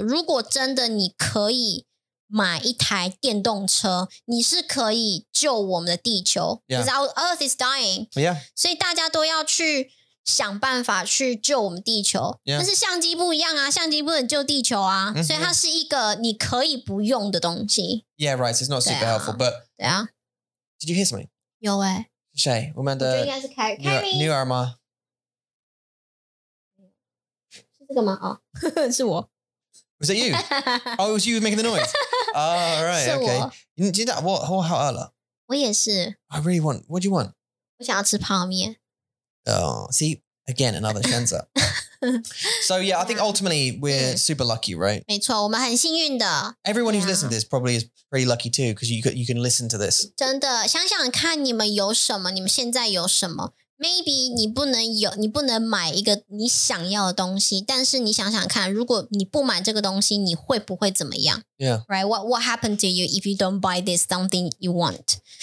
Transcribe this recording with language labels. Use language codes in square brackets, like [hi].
[zh] 如果真的你可以买一台电动车, 你是可以救我们的地球, [en] because our earth is dying. Yeah. [zh] 所以大家都要去想办法去救我们地球。 [en] Yeah. [zh] 但是相机不一样啊, 相机不能救地球啊。 Mm-hmm. 所以它是一个你可以不用的东西。 [en] Yeah, right, so it's not super helpful, but... [zh] 对啊。 [en] Did you hear something? [zh] 有欸。谁?我们的... 我觉得应该是Carrie。女儿吗? 是我。 [en] Was that you? Oh, it was you making the noise. Oh, right, okay. [zh] 你知道, 我好饿了。我也是。 [en] I really want, what do you want? [zh] 我想要吃泡面。 [en] Oh, see, again, another chance. So yeah, I think ultimately we're super lucky, right? [zh] 没错,我们很幸运的。 [en] Everyone who's listened to this probably is pretty lucky too, because you can listen to this. [zh] 真的,想想看你们有什么,你们现在有什么。 Maybe 你不能买一个你想要的东西,但是你想想看,如果你不买这个东西,你会不会怎么样? [en] Yeah. Right? What happened to you if you don't buy this something you want?